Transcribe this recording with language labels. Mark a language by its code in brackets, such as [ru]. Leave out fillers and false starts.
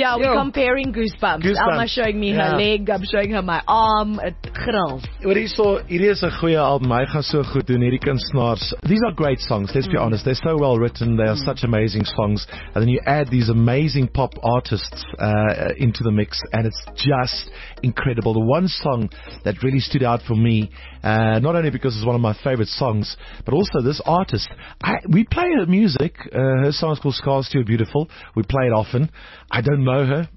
[en] Yeah, we're comparing goosebumps. Alma showing me her leg, I'm showing her my arm, it grills. [af] Wat is so, hierdie is 'n goeie album, hy gaan so goed doen, hierdie kunstenaars. [en] These are great songs, let's be honest, they're so well written, they are such amazing songs, and then you add these amazing pop artists into the mix, and it's just incredible. The one song that really stood out for me, not only because it's one of my favourite songs, but also this artist, we play her music, her song is called Scars Too Beautiful, we play it often. I don't know her.